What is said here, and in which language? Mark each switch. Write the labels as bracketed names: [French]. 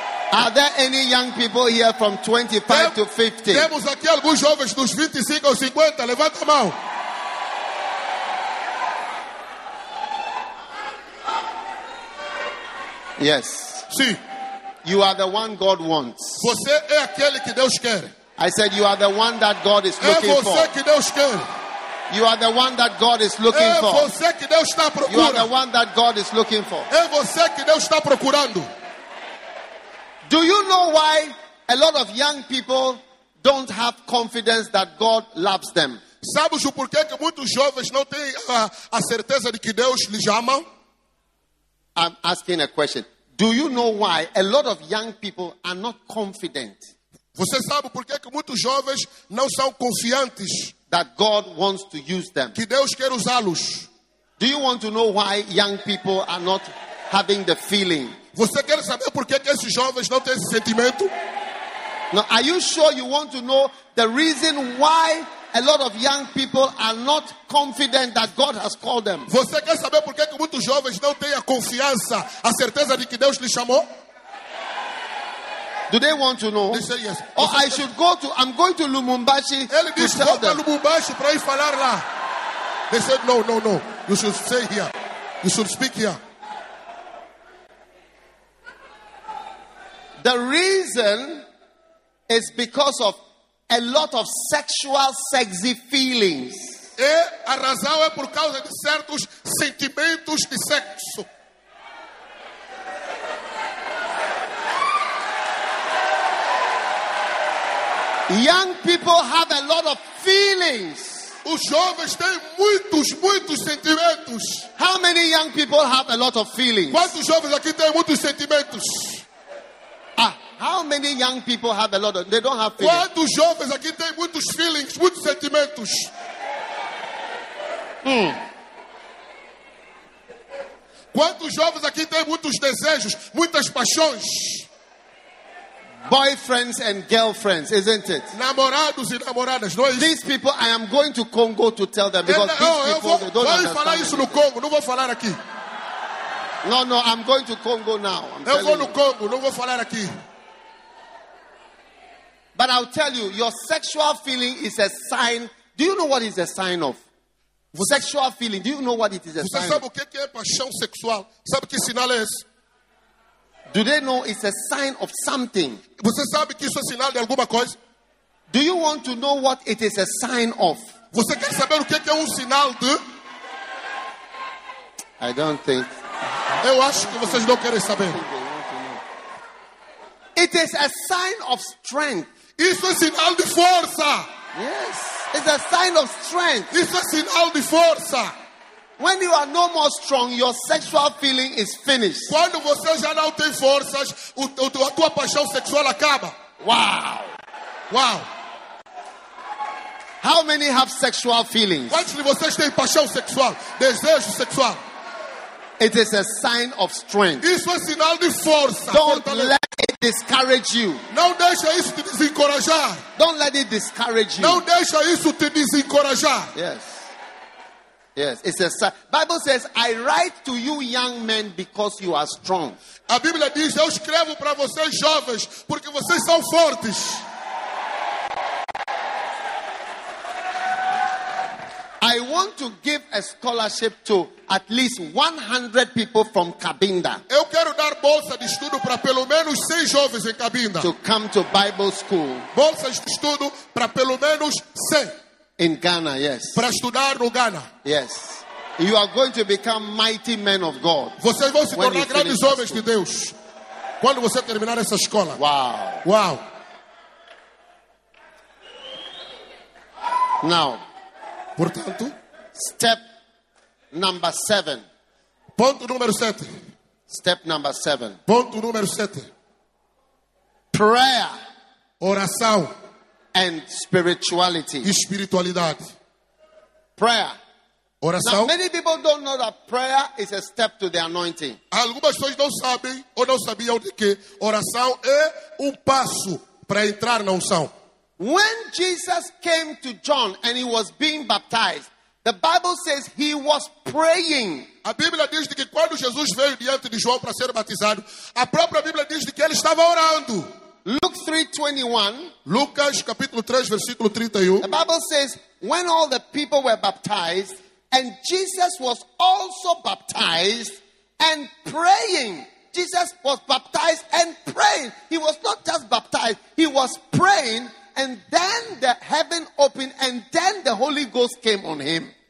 [English] Are there any young people here from 25 to 50? [Portuguese] Temos aqui alguns jovens dos 25 ou 50? Levanta a mão. [English] Yes. [Portuguese] Sim. [English] You are the one God wants. [Portuguese] Você é aquele que Deus quer. [English] I said you are the one that God is looking for. [Portuguese] É você que Deus quer. [English] You are the one that God is looking for. [Portuguese] Você que Deus está procurando. [English] You are the one that God is looking for. [Portuguese] Você que Deus está procurando. [English] Do you know why a lot of young people don't have confidence that God loves them? [Portuguese] Sabe o porquê que muitos jovens não têm a certeza de que Deus lhes ama? [English] I'm asking a question. Do you know why a lot of young people are not confident? [Portuguese] Você sabe porquê que muitos jovens não são confiantes? [English] That God wants to use them. [Portuguese] Que Deus quer usá-los. [English] Do you want to know why young people are not having the feeling? [Portuguese] Você quer saber por que esses jovens não têm esse sentimento? [English] Now, are you sure you want to know the reason why a lot of young people are not confident that God has called them? [Portuguese] Você quer saber por que muitos jovens não têm a confiança, a certeza de que Deus lhe chamou? [English] Do they want to know? They say yes. Or I should go to, I'm going to Lubumbashi. [Portuguese] Ele disse, [English] to tell them. [Portuguese] Lubumbashi para ir falar lá. [English] They said, no, no, no. You should stay here. You should speak here. The reason is because of a lot of sexual, sexy feelings. [Portuguese] E a razão é por causa de certos sentimentos de sexo. [English] Young people have a lot of feelings. [Portuguese] Os jovens têm muitos, muitos sentimentos. [English] How many young people have a lot of feelings? [Portuguese] Quantos jovens aqui têm muitos sentimentos? [English] Ah, how many young people have a lot of, they don't have feelings. [Portuguese] Quantos jovens aqui têm muitos feelings, muitos sentimentos? Quantos jovens aqui têm muitos desejos, muitas paixões? [English] Boyfriends and girlfriends, isn't it? [Portuguese] Namorados e namoradas, não é isso? [English] These people, I am going to Congo to tell them because [Portuguese] eu, [English] these people, [Portuguese] vou, [English] they don't understand. [Portuguese] Falar isso no Congo, não vou falar aqui. [English] No, no, I'm going to Congo now. I'm [Portuguese] eu vou no [English] you. [Portuguese] Congo, não vou falar aqui. [English] But I'll tell you, your sexual feeling is a sign. Do you know what is a sign of? [Portuguese] Você, [English] sexual feeling, do you know what it is a sign [Portuguese] of? Você sabe o que é paixão sexual? Sabe que sinal é esse? [English] Do they know it's a sign of something? [Portuguese] Você sabe que isso é sinal de alguma coisa? [English] Do you want to know what it is a sign of? [Portuguese] Você quer saber o que é sinal de? [English] I don't think. [Portuguese] Eu acho que vocês não querem saber. [English] It is a sign of strength. [Portuguese] Isso é sinal de força. [English] Yes. It's a sign of strength. [Portuguese] Isso é sinal de força. [English] When you are no more strong, your sexual feeling is finished. [Portuguese] Quando você já não tem forças, a tua paixão sexual acaba. [English] Wow. Wow. How many have sexual feelings? [Portuguese] Quantos de vocês têm paixão sexual, desejo sexual? [English] It is a sign of strength. [Portuguese] Isso é sinal de força. [English] Don't let it discourage you. [Portuguese] Não deixa isso te desencorajar. [English] Don't let it discourage you. [Portuguese] Não deixa isso te desencorajar. [English] Yes. Yes, it's a sign. Bible says, I write to you young men because you are strong. [Portuguese] A Bíblia diz, eu escrevo para vocês jovens, porque vocês são fortes. [English] I want to give a scholarship to at least 100 people from Cabinda. [Portuguese] Eu quero dar bolsa de estudo para pelo menos 100 jovens em Cabinda. [English] To come to Bible school. [Portuguese] Bolsa de estudo para pelo menos 100. [English] In Ghana, yes. [Portuguese] Para estudar no Ghana. [English] Yes. You are going to become mighty men of God. [Portuguese] Vocês vão se tornar grandes homens de Deus. Quando você terminar essa escola. [English] Wow. Wow. Now. [Portuguese] Portanto. [English] Step number 7. [Portuguese] Ponto número 7. [English] Step number 7. [Portuguese] Ponto número 7. [English] Prayer. [Portuguese] Oração. [English] And spirituality. [Portuguese] E espiritualidade. [English] Prayer. [Portuguese] Oração. [English] Now, many people don't know that prayer is a step to the anointing. [Portuguese] Algumas pessoas não sabem ou não sabiam de que oração é passo para entrar na unção. [English] When Jesus came to John and he was being baptized, the Bible says he was praying. [Portuguese] A Bíblia diz que quando Jesus veio diante de João para ser batizado, a própria Bíblia diz que ele estava orando. [English] Luke 3:21. [Portuguese] Lucas capítulo 3 versículo 31. [English] The Bible says when all the people were baptized and Jesus was also baptized and praying. Jesus was baptized and praying. He was not just baptized, he was praying and then the heaven opened and then the Holy Ghost came on him.